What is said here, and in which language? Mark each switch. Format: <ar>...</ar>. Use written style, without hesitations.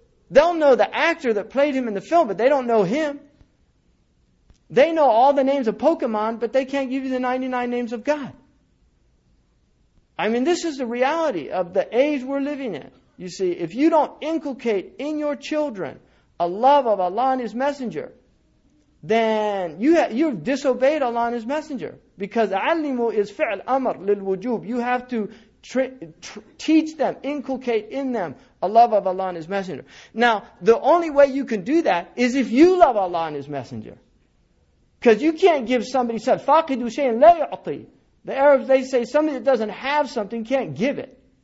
<en>They'll know the actor that played him in the film, but they don't know him. They know all the names of Pokemon, but they can't give you the 99 names of God. I mean, this is the reality of the age we're living in. You see, if you don't inculcate in your children a love of Allah and His Messenger, then you've disobeyed Allah and His Messenger. Because</en> <ar>عَلِّمُوا is فِعْلْ أَمَرْ لِلْوُجُوبِ.</ar> <en>You have to teach them, inculcate in them a love of Allah and His Messenger. Now, the only way you can do that is if you love Allah and His Messenger. Because you can't give somebody, said</en> <ar>فَاقِدُوا شَيْءٍ لَا يُعْطِي.</ar> <en>The Arabs, they say somebody that doesn't have something can't give it.</en>